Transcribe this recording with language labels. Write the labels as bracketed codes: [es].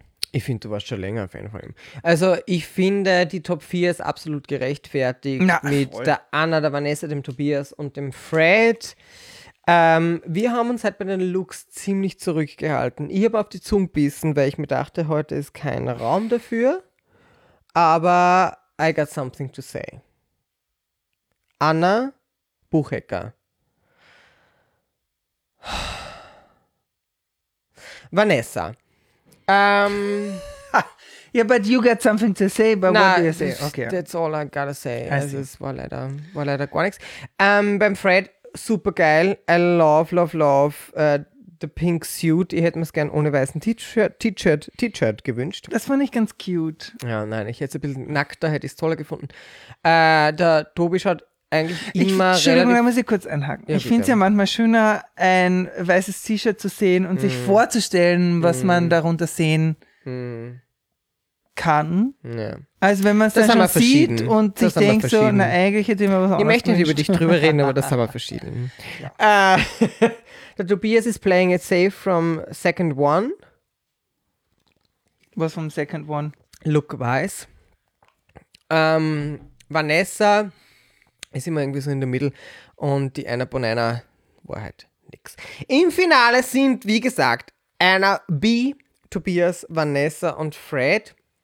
[de] Ich finde, du warst schon länger ein Fan von ihm. Also ich finde, die Top 4 ist absolut gerechtfertigt der Anna, der Vanessa, dem Tobias und dem Fred. Wir haben uns halt bei den Looks ziemlich zurückgehalten. Ich habe auf die Zunge gebissen, weil ich mir dachte, heute ist kein Raum dafür. [en] Aber I got something to say. [de] Anna Buchecker. Vanessa. [en] Yeah, but you got something to say, but what do you say? Okay. That's all I gotta say. [de] Das war leider gar nichts. Beim Fred, super geil. [en] I love the pink suit. [de] Ich hätte mir es gern ohne weißen T-Shirt gewünscht. Das fand ich ganz cute. Ja, nein, ich hätte es ein bisschen nackter, hätte ich es toller gefunden. Der Tobi schaut eigentlich immer. Entschuldigung, da muss ich kurz einhaken. Ja, ich finde es ja manchmal schöner, ein weißes T-Shirt zu sehen und sich vorzustellen, was man darunter sehen kann. Ja. Als wenn man es dann schon sieht und sich denkt, so, na, eigentlich hätte ich mir was anderes. Ich möchte nicht über dich drüber reden, aber das haben wir verschieden. Ja. [en] der Tobias is playing it safe from second one. [de] Was vom [en] second one? Look-wise. [de] Vanessa ist immer irgendwie so in der Mitte und die Anna Bonanna war halt nix. Im Finale sind, wie gesagt, Anna B, Tobias, Vanessa und Fred.